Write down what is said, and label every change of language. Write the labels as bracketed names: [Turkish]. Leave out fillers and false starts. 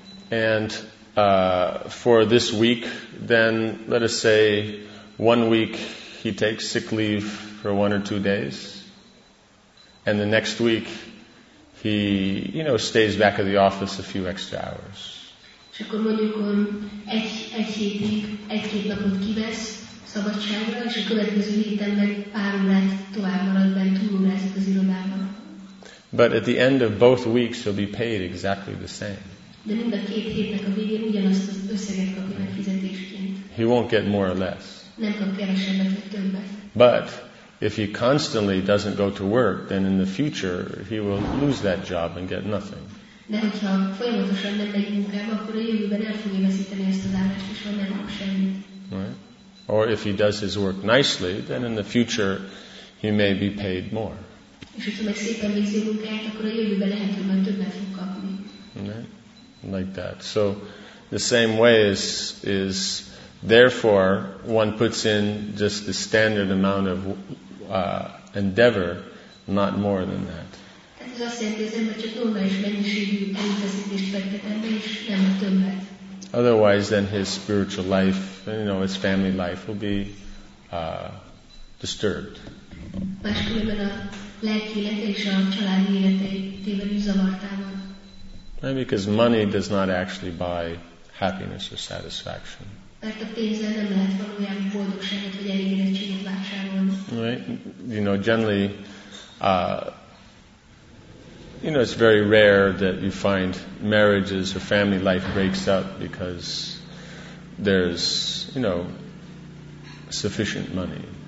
[English] And for this week, then let us say 1 week he takes sick leave for 1 or 2 days, and the next week he, you know, stays back at the office a few extra hours. [Hungarian] És akkor mondjuk egy hétig, egy-két napot kivesz szabadságra, és a következő héten meg pár órát tovább marad bent, túlórázik az irodában. [English] But at the end of both weeks he'll be paid exactly the same. [Hungarian] De mind a két hétnek a végén ugyanazt az összeget kapja meg fizetésként. [English] He won't get more or less. [Hungarian] Nem kap kevesebbet vagy többet. [English] But if he constantly doesn't go to work, then in the future he will lose that job and get nothing. [Hungarian] De hogyha folyamatosan nem megy munkába, akkor a jövőben el fogja veszíteni ezt az állást, és van nem kap semmit. [English] Right. Or if he does his work nicely, then in the future he may be paid more. [Hungarian] És hogyha meg szépen végzi a munkáját, akkor a jövőben lehet, hogy már többet fog kapni. [English] Right. Like that. So the same way is therefore one puts in just the standard amount of endeavor, not more than that. [Hungarian] Ez azt jelenti, az ember csak normális mennyiségű erőfeszítést fektet ebbe, és nem többet. [English] Otherwise, then his spiritual life, you know, his family life will be disturbed. [Hungarian] Máskülönben a lelki élete és a családi élete tévedő zavartával. [English] Maybe because money does not actually buy happiness or satisfaction. [Hungarian] Mert a pénzzel nem lehet valójában boldogságot vagy elégedettséget vásárolni. [English] Right? You know, generally, you know, it's very rare that you find marriages or family life breaks up because there's, you know, sufficient money.